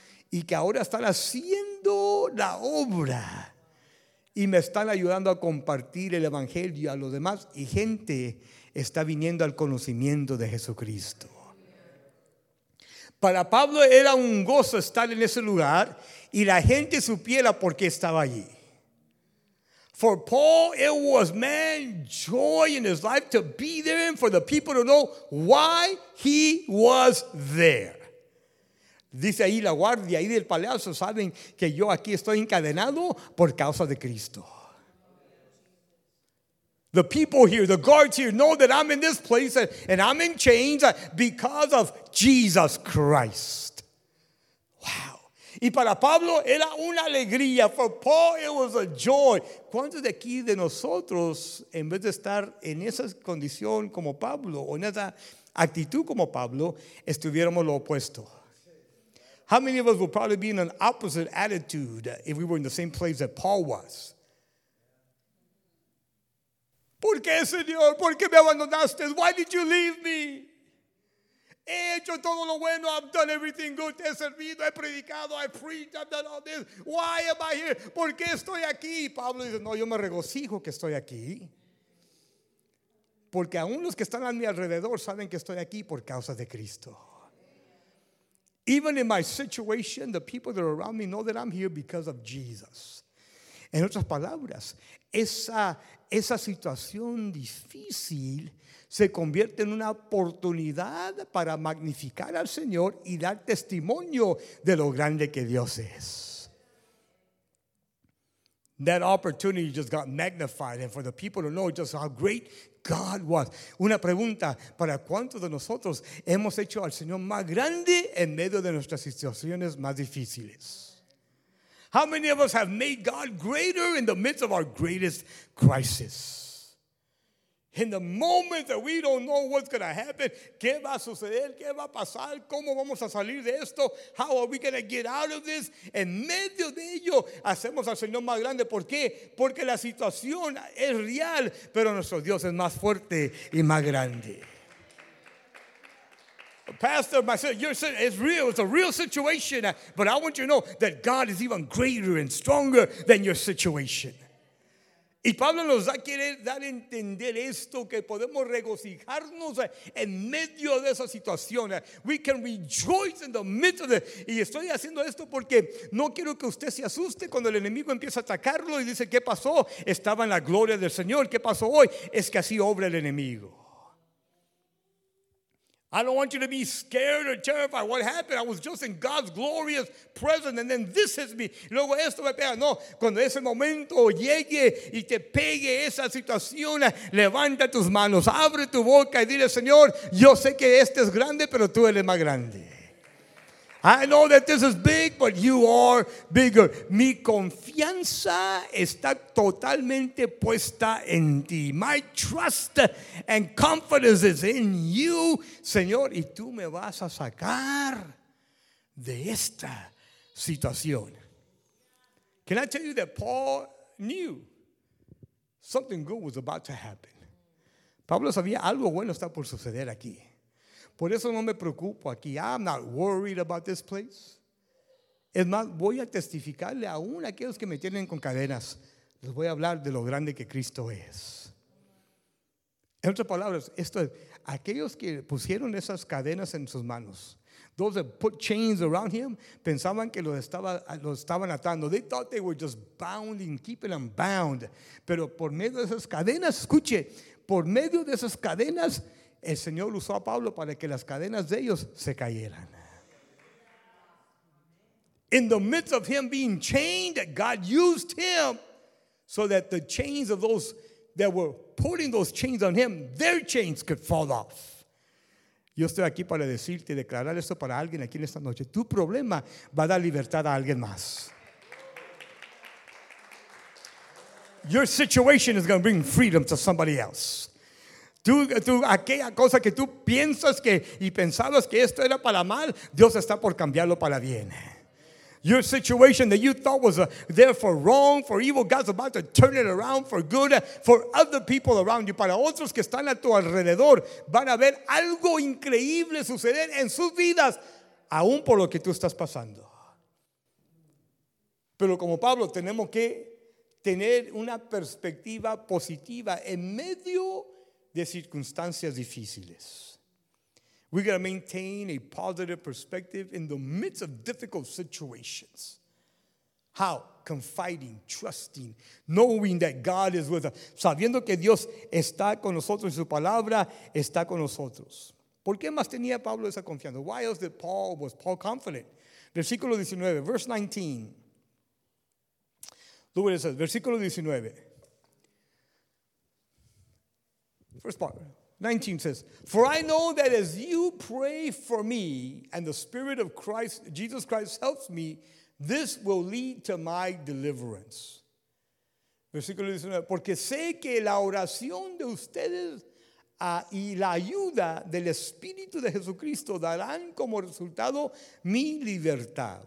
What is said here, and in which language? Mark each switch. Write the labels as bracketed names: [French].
[Spanish] y que ahora están haciendo la obra y me están ayudando a compartir el evangelio a los demás y gente está viniendo al conocimiento de Jesucristo. Para Pablo era un gozo estar en ese lugar y la gente supiera por qué estaba allí. [English] For Paul, it was, man, joy in his life to be there and for the people to know why he was there. [Spanish] Dice ahí la guardia, ahí del palacio, saben que yo aquí estoy encadenado por causa de Cristo. [English] The people here, the guards here, know that I'm in this place and I'm in chains because of Jesus Christ. [Spanish] Wow. Y para Pablo era una alegría. [English] For Paul, it was a joy. [Spanish] ¿Cuántos de aquí de nosotros, en vez de estar en esa condición como Pablo o en esa actitud como Pablo, estuviéramos lo opuesto? [English] How many of us would probably be in an opposite attitude if we were in the same place that Paul was? [Spanish] ¿Por qué, Señor? ¿Por qué me abandonaste? [English] Why did you leave me? [Spanish] He hecho todo lo bueno. [English] I've done everything good. [Spanish] Te he servido. He predicado. [English] I preached. I've done all this. Why am I here? [Spanish] ¿Por qué estoy aquí? Pablo dice, no, yo me regocijo que estoy aquí. Porque aún los que están a mi alrededor saben que estoy aquí por causa de Cristo. [English] Even in my situation, the people that are around me know that I'm here because of Jesus. [Spanish] En otras palabras, esa situación difícil se convierte en una oportunidad para magnificar al Señor y dar testimonio de lo grande que Dios es. [English] That opportunity just got magnified and for the people to know just how great God was. [Spanish] Una pregunta, ¿para cuántos de nosotros hemos hecho al Señor más grande en medio de nuestras situaciones más difíciles? [English] How many of us have made God greater in the midst of our greatest crisis? In the moment that we don't know what's going to happen, [Spanish] ¿qué va a suceder? ¿Qué va a pasar? ¿Cómo vamos a salir de esto? [English] How are we going to get out of this? [Spanish] En medio de ello, hacemos al Señor más grande. ¿Por qué? Porque la situación es real, pero nuestro Dios es más fuerte y más grande. [English] Pastor, it's real. It's a real situation. But I want you to know that God is even greater and stronger than your situation. [Spanish] Y Pablo nos da, quiere dar a entender esto, que podemos regocijarnos en medio de esa situación. [English] We can rejoice in the midst of it. [Spanish] Y estoy haciendo esto porque no quiero que usted se asuste cuando el enemigo empieza a atacarlo y dice, ¿qué pasó? Estaba en la gloria del Señor. ¿Qué pasó hoy? Es que así obra el enemigo. [English] I don't want you to be scared or terrified. What happened? I was just in God's glorious presence and then this is me. [Spanish] Luego esto me pega. No, cuando ese momento llegue y te pegue esa situación, levanta tus manos, abre tu boca y dile, Señor, yo sé que este es grande, pero tú eres más grande. [English] I know that this is big, but you are bigger. [Spanish] Mi confianza está totalmente puesta en ti. [English] My trust and confidence is in you, Señor. [Spanish] Y tú me vas a sacar de esta situación. [English] Can I tell you that Paul knew something good was about to happen? [Spanish] Pablo sabía algo bueno está por suceder aquí. Por eso no me preocupo aquí. [English] I'm not worried about this place. [Spanish] Es más, voy a testificarle aún a aquellos que me tienen con cadenas. Les voy a hablar de lo grande que Cristo es. En otras palabras, esto es, aquellos que pusieron esas cadenas en sus manos, [English] those that put chains around him, [Spanish] pensaban que los estaban atando. [English] They thought they were just bounding, keeping them bound. [Spanish] Pero por medio de esas cadenas, escuche, por medio de esas cadenas, el Señor usó a Pablo para que las cadenas de ellos se cayeran. [English] In the midst of him being chained, God used him so that the chains of those that were putting those chains on him, their chains could fall off. [Spanish] Yo estoy aquí para decirte y declarar esto para alguien aquí en esta noche. Tu problema va a dar libertad a alguien más. [English] Your situation is going to bring freedom to somebody else. [Spanish] Tú, aquella cosa que tú piensas que y pensabas que esto era para mal, Dios está por cambiarlo para bien. [English] Your situation that you thought was there for wrong, for evil, God's about to turn it around for good for other people around you. [Spanish] Para otros que están a tu alrededor, van a ver algo increíble suceder en sus vidas, aún por lo que tú estás pasando. Pero como Pablo, tenemos que tener una perspectiva positiva en medio de circunstancias difíciles. [English] We gotta maintain a positive perspective in the midst of difficult situations. How? Confiding, trusting, knowing that God is with us. [Spanish] Sabiendo que Dios está con nosotros y su palabra está con nosotros. ¿Por qué más tenía Pablo esa confianza? [English] Why else did Paul, was Paul confident? [Spanish] Versículo 19, verse 19. [English] Look what it says, versículo 19. First part, 19 says, for I know that as you pray for me and the Spirit of Christ, Jesus Christ helps me, this will lead to my deliverance. [Spanish] Versículo 19, porque sé que la oración de ustedes y la ayuda del Espíritu de Jesucristo darán como resultado mi libertad.